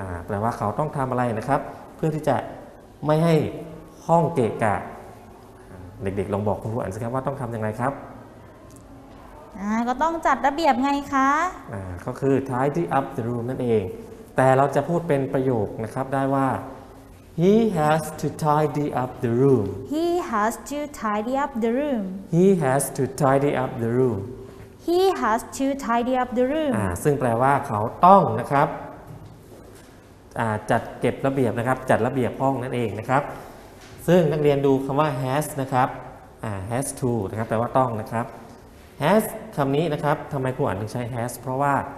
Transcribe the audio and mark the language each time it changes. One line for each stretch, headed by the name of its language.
Thai: แปลว่าเขาต้องทำอะไรนะครับเพื่อที่จะไม่ให้ห้องเกะกะเด็กๆลองบอกคุณครูอันสิครับว่าต้องทำยังไงครับ ก็ต้องจัดระเบียบไงคะ ก็คือ
English: tidy up the room
Thai: นั่นเองแต่เราจะพูดเป็นประโยคนะครับได้ว่า
English: He has to tidy up the room. He has to tidy up the room. He has to tidy up the room. He has to tidy up the room.
Thai: ซึ่งแปลว่าเขาต้องนะครับจัดเก็บระเบียบนะครับจัดระเบียบห้องนั่นเองนะครับซึ่งนักเรียนดูคำว่า has นะครับ has to นะครับแปลว่าต้องนะครับ has คำนี้นะครับทำไมครูอ่านถึงใช้ has เพราะว่า